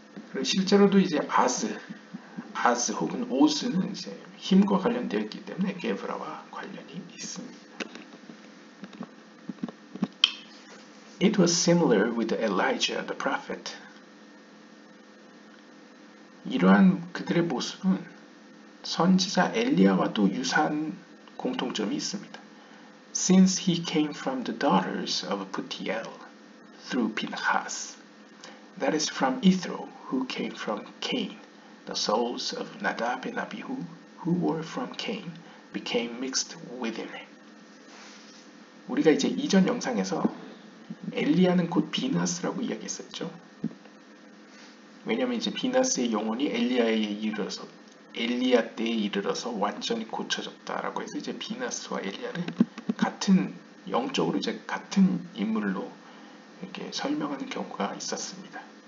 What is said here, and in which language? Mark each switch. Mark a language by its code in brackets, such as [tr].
[ko] 그리고 실제로도 이제 아즈 혹은 오즈는 이제 힘과 관련되어 있기 때문에 게브라와 관련이 있습니다. [en] It was similar with Elijah the prophet. [ko] 이러한 그들의 모습은 선지자 엘리야와도 유사한 공통점이 있습니다. [en] Since he came from the daughters of Putiel through Pinhas, that is from Ithro, who came from Cain, the souls of Nadab and Abihu, who were from Cain, became mixed with him. [ko] 우리가 이제 이전 영상에서 엘리야는 곧 비나스라고 이야기했었죠. 왜냐하면 이제 비나스의 영혼이 엘리야에 이르러서 엘리야 때에 이르러서 완전히 고쳐졌다라고 해서 이제 비나스와 엘리야를 같은 영적으로 이제 같은 인물로 이렇게 설명하는 경우가 있었습니다.